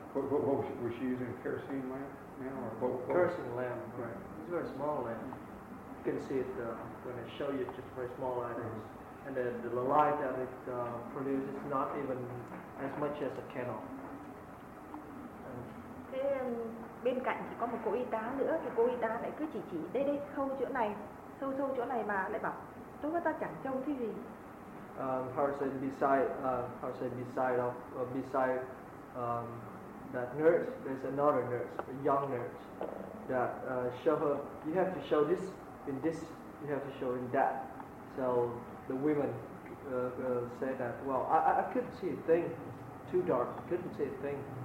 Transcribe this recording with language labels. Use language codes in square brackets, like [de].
[en] Was she using a kerosene lamp now, or what? Kerosene lamp, right. It's a very small lamp. You can see it when I show you, just very small items. Mm-hmm. And then the light that it produces is not even as much as a candle. [vi] Thế bên cạnh chỉ có một cô y tá nữa, thì cô y tá lại cứ chỉ đây đây, sâu chỗ này, sâu chỗ này, mà lại bảo, tôi với ta chẳng trông thấy gì. [en] Beside that nurse, there's another nurse, a young nurse, that show her. You have to show this in this. You have to show in that. So the women say that. Well, I couldn't see a thing. Too dark. Couldn't see a thing.